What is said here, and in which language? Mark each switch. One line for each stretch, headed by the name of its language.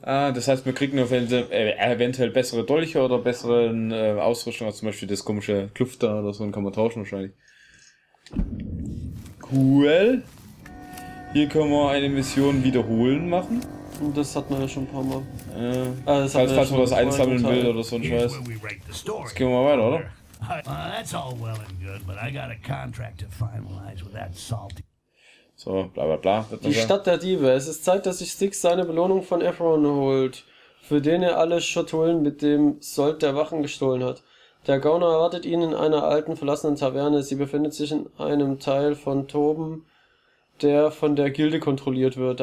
German: Ah, das heißt, wir kriegen eventuell bessere Dolche oder bessere Ausrüstung, als zum Beispiel das komische Kluft da oder so, kann man tauschen wahrscheinlich. Cool. Hier können wir eine Mission wiederholen machen. Und das hatten wir ja schon ein paar Mal. Falls man das einsammeln will oder so ein Scheiß. Jetzt gehen wir mal weiter, oder?
English: That's all well and good, but I got a contract to finalize with that salty.
German: So, bla bla bla. Die Stadt der Diebe. Es ist Zeit, dass sich Six seine Belohnung von Efron holt, für den er alle Schatullen mit dem Sold der Wachen gestohlen hat. Der Gauner erwartet ihn in einer alten, verlassenen Taverne. Sie befindet sich in einem Teil von Toben, der von der Gilde kontrolliert wird.